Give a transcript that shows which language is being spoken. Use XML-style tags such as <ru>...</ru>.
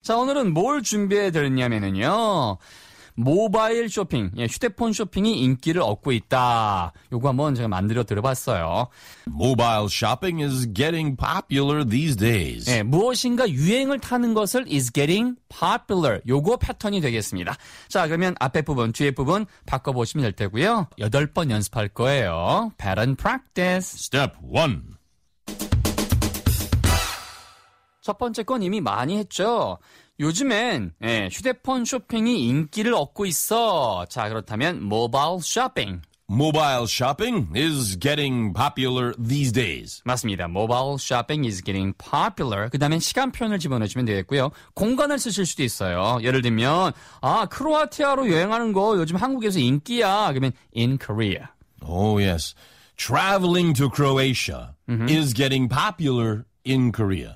<ko>자, 오늘은 뭘 준비해드렸냐면요. 모바일 쇼핑, 예, 휴대폰 쇼핑이 인기를 얻고 있다. 요거 한번 제가 만들어 드려봤어요.</ko> <en>Mobile shopping is getting popular these days.</en> <ko>예, 무엇인가 유행을 타는 것을</ko> <en>is getting popular.</en> <ko>요거 패턴이 되겠습니다. 자, 그러면 앞에 부분, 뒤에 부분 바꿔보시면 될 테고요. 8번 연습할 거예요.</ko> <en>Pattern practice. Step 1.</en> <ko>첫 번째 건 이미 많이 했죠. 요즘엔 예, 휴대폰 쇼핑이 인기를 얻고 있어. 자, 그렇다면 모바일 쇼핑.</ko> <en>Mobile shopping is getting popular these days.</en> <ko>맞습니다.</ko> <en>Mobile shopping is getting popular.</en> <ko>그 다음에 시간 표현을 집어넣으시면 되겠고요. 공간을 쓰실 수도 있어요. 예를 들면 아, 크로아티아로 여행하는 거 요즘 한국에서 인기야. 그러면</ko> <en>in Korea. Oh, yes. Traveling to Croatia mm-hmm. is getting popular in Korea.</en>